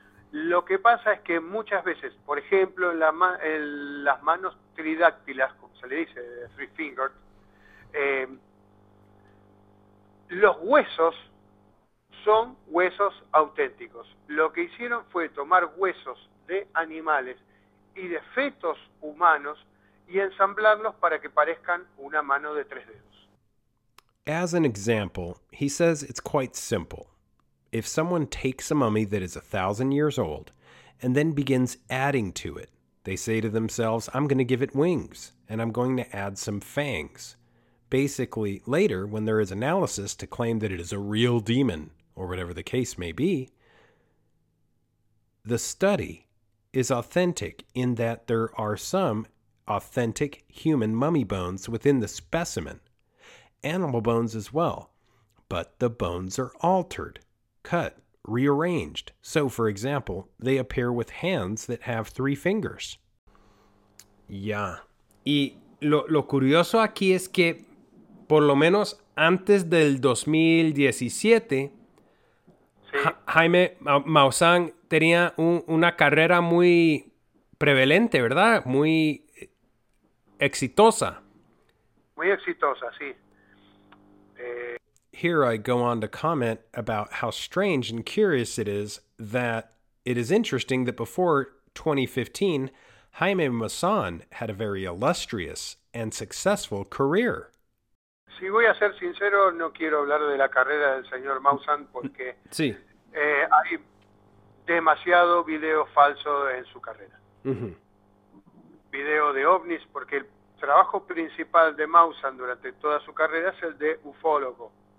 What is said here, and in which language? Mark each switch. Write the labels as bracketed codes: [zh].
[es] Lo que pasa es que muchas veces, por ejemplo, las manos tridáctilas, como se le dice, [en] three fingers, [es] los huesos son huesos auténticos. Lo que hicieron fue tomar huesos de animales y de fetos humanos y ensamblarlos para que parezcan una mano de tres dedos. [en] As an example, he says it's quite simple. If someone takes a mummy that is 1,000 years old and then begins adding to it, they say to themselves, I'm going to give it wings and I'm going to add some fangs. Basically, later, when there is analysis to claim that it is a real demon or whatever the case may be, the study is authentic in that there are some authentic human mummy bones within the specimen, animal bones as well, but the bones are altered. Cut, rearranged. So, for example, they appear with hands that have three fingers. [es] Ya. Y lo curioso aquí es que, por lo menos antes del 2017, sí. Jaime Maussan tenía una carrera muy prevalente, ¿verdad? Muy exitosa. Muy exitosa, sí. [en] Here I go on to comment about how strange and curious it is that it is interesting that before 2015, Jaime Maussan had a very illustrious and successful career. [es] Si voy a ser sincero, no quiero hablar de la carrera del señor Maussan porque sí. Hay demasiado video falso en su carrera. Uh-huh. Video de ovnis, porque el trabajo principal de Maussan durante toda su carrera es el de ufólogo.